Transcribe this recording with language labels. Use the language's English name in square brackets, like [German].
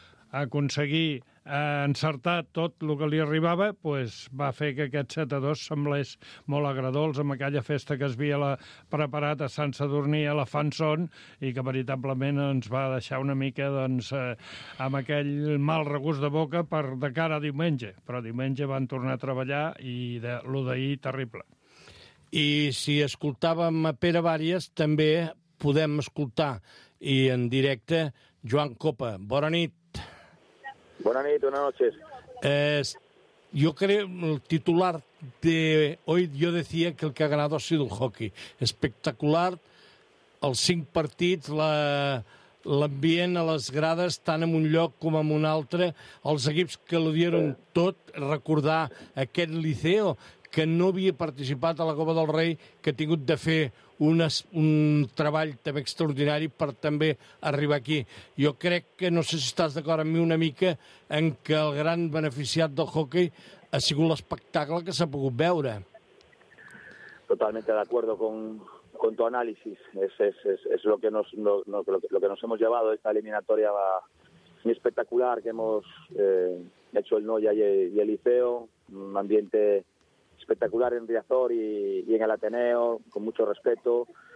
[Catalan] aconseguir encertar tot el que li arribava, pues va fer que aquest 7-2 semblés molt agradós amb aquella festa que es havia preparat a Sant Sadurní a la Fanson i que veritablement ens va deixar una mica doncs, amb aquell mal regust de boca per de cara a diumenge. Però diumenge van tornar a treballar i lo d'ahir terrible. I si escoltàvem a Pere Bàries, també podem escoltar i en directe Joan Copa. Bona nit. Bona nit, [Spanish] bona noche. Yo creo, el titular de hoy, yo decía que el que ha ganado ha sido el hockey. [Catalan] Espectacular, els 5 partits, l'ambient a les grades, tant en un lloc com en un altre, els equips que [Spanish] lo dieron [Catalan] tot, recordar aquest Liceo, que no havia participat a la Copa del Rei, que ha tingut de fer un treball també extraordinari per també arribar aquí. Jo crec que, no sé si estàs d'acord amb mi una mica, en que el gran beneficiat del hockey ha sigut l'espectacle que s'ha pogut veure. [Spanish] Totalmente de acuerdo con tu análisis. Es lo que nos hemos llevado esta eliminatoria muy espectacular que hemos hecho el Noia y el Liceo, un ambiente espectacular en Riazor y en el Ateneo, con mucho respeto.